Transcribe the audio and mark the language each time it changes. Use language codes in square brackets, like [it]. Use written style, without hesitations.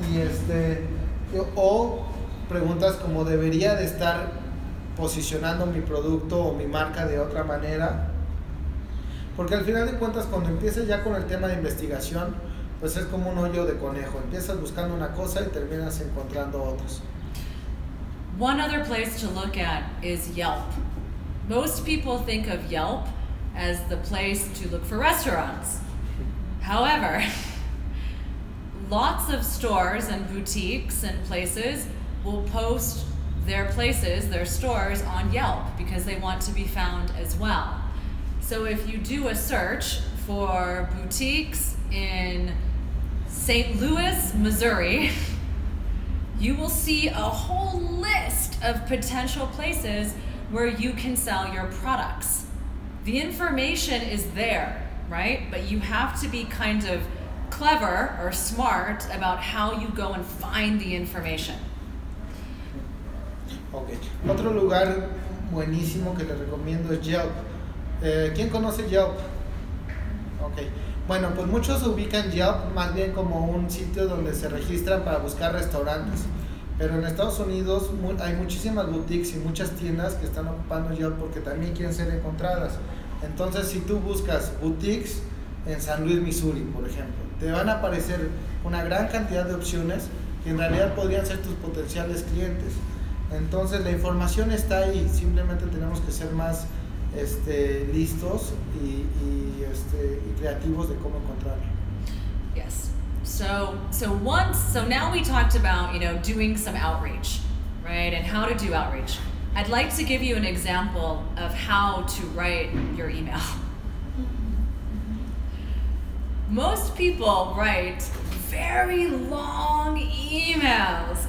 [es] Y o preguntas como, ¿debería de estar posicionando mi producto o mi marca de otra manera? Porque al final de cuentas, cuando empiezas ya con el tema de investigación, pues es como un hoyo de conejo. Empiezas buscando una cosa y terminas encontrando otros. [en] One other place to look at is Yelp. Most people think of Yelp as the place to look for restaurants. However, lots of stores and boutiques and places will post their places, their stores, on Yelp because they want to be found as well. So if you do a search for boutiques in St. Louis, Missouri, you will see a whole list of potential places where you can sell your products. The information is there, right? But you have to be kind of clever or smart about how you go and find the information. Okay. [es] Otro lugar buenísimo que les recomiendo es Yelp. ¿Quién conoce Yelp? Okay. Bueno, pues muchos ubican Yelp más bien como un sitio donde se registran para buscar restaurantes. Pero en Estados Unidos hay muchísimas boutiques y muchas tiendas que están ocupando Yelp porque también quieren ser encontradas. Entonces, si tú buscas boutiques en San Luis, Missouri, por ejemplo, te van a aparecer una gran cantidad de opciones que en realidad podrían ser tus potenciales clientes. Entonces, la información está ahí. Simplemente tenemos que ser más listos y creativos de cómo encontrarlo. [en] Yes. So now we talked about, you know, doing some outreach, right? And how to do outreach. I'd like to give you an example of how to write your email. Most people write very long emails.